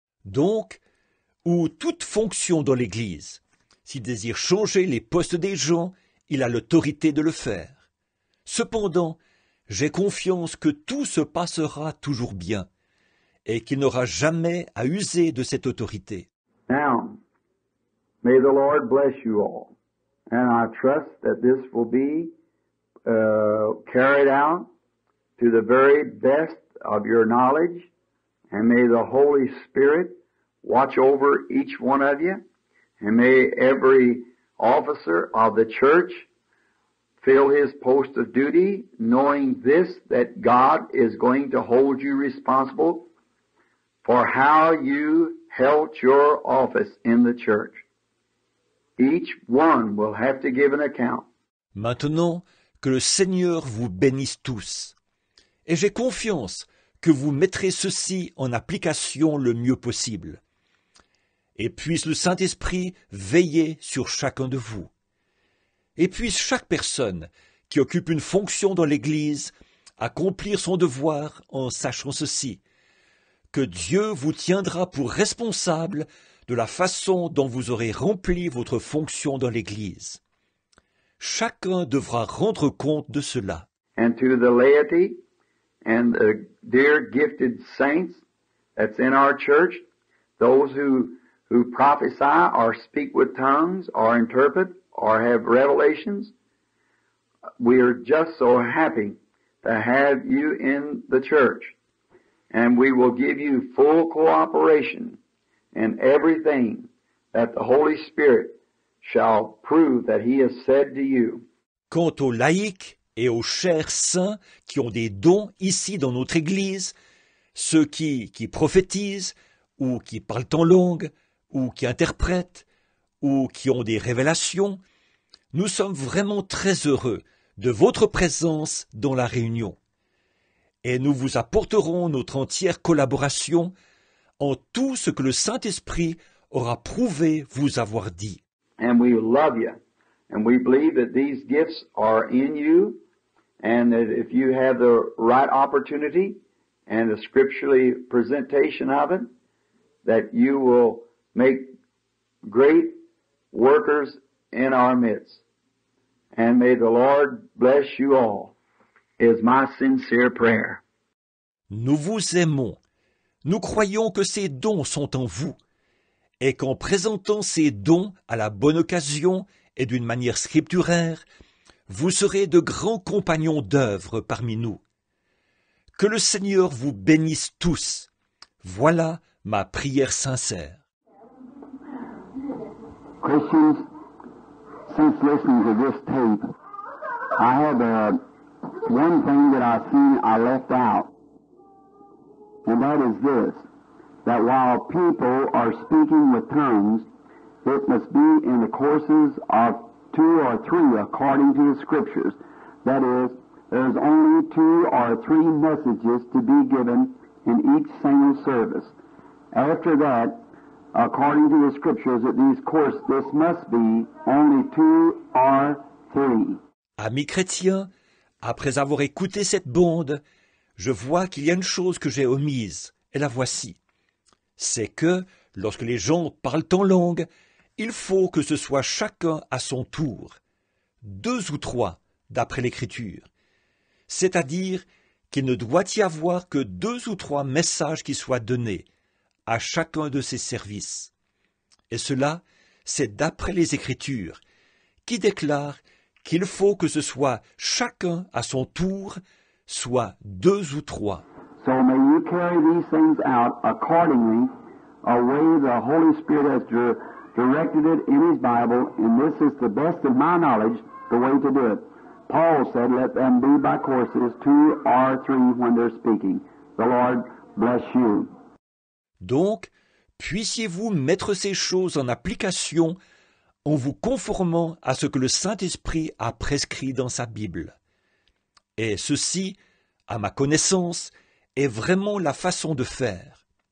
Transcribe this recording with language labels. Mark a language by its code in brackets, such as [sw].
[fr] Donc, ou toute fonction dans l'Église, s'il désire changer les postes des gens, il a l'autorité de le faire. Cependant, j'ai confiance que tout se passera toujours bien et qu'il n'aura jamais à user de cette autorité. [en] Now, may the Lord bless you all. And I trust that this will be carried out to the very best of your knowledge. And may the Holy Spirit watch over each one of you. And may every officer of the church fill his post of duty, knowing this, that God is going to hold you responsible for how you held your office in the church. Each one will have to give an account. [fr] Maintenant, que le Seigneur vous bénisse tous. Et j'ai confiance que vous mettrez ceci en application le mieux possible. Et puisse le Saint-Esprit veiller sur chacun de vous. Et puisse chaque personne qui occupe une fonction dans l'Église accomplir son devoir en sachant ceci, que Dieu vous tiendra pour responsable de la façon dont vous aurez rempli votre fonction dans l'Église. Chacun devra rendre compte de cela. [en] And to the laity and the dear gifted saints that's in our church, those who prophesy or speak with tongues or interpret or have revelations, we are just so happy to have you in the church. And we will give you full cooperation in everything that the Holy Spirit shall prove that he has said to you. [fr] Quant aux laïcs et aux chers saints qui ont des dons ici dans notre Église, ceux qui prophétisent ou qui parlent en langue, ou qui interprètent, ou qui ont des révélations. Nous sommes vraiment très heureux de votre présence dans la réunion. Et nous vous apporterons notre entière collaboration en tout ce que le Saint-Esprit aura prouvé vous avoir dit. [en] And we love you. And we believe that these gifts are in you, and that if you have the right opportunity and the scripturally presentation of it, that you will make great workers in our midst. And may the Lord bless you all, is my sincere prayer. [fr] Nous vous aimons. Nous croyons que ces dons sont en vous, et qu'en présentant ces dons à la bonne occasion et d'une manière scripturaire, vous serez de grands compagnons d'œuvre parmi nous. Que le Seigneur vous bénisse tous. Voilà ma prière sincère. [en] Christians, since listening to this tape, I have one thing that I see I left out, and that is this, that while people are speaking with tongues, it must be in the courses of two or three according to the Scriptures. That is, there's only two or three messages to be given in each single service. After that, according to the Scriptures, at these courses, this must be only two or three. [fr] Amis chrétiens, après avoir écouté cette bande, je vois qu'il y a une chose que j'ai omise, et la voici. C'est que, lorsque les gens parlent en langue, il faut que ce soit chacun à son tour, deux ou trois, d'après l'Écriture. C'est-à-dire qu'il ne doit y avoir que deux ou trois messages qui soient donnés à chacun de ces services. Et cela, c'est d'après les Écritures, qui déclarent qu'il faut que ce soit chacun à son tour, soit deux ou trois. [en] So may you carry these things out accordingly, a way the Holy Spirit has directed it in His Bible, and this is the best of my knowledge, the way to do it. Paul said, let them be by courses, two or three when they're speaking. The Lord bless you. [fr] Donc, puissiez-vous mettre ces choses en application en vous conformant à ce que le Saint-Esprit a prescrit dans sa Bible. Et ceci, à ma connaissance, est vraiment la façon de faire.